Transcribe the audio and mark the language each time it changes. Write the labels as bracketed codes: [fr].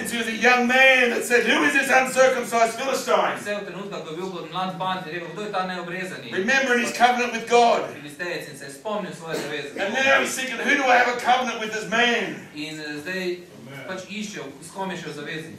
[en] Since he was a young man that said, who is this uncircumcised Philistine? [sl] Vse v trenutka, ko je bil kot mlad fant, je rekel, kdo je ta neobrezani? [en] Remembering his covenant with God. [sl] Filistejec in se je spomnil svoje zaveze. [en] And now he's thinking, who do I have a covenant with this man? [sl] In zdaj pač išče, s kom je še v zavezi.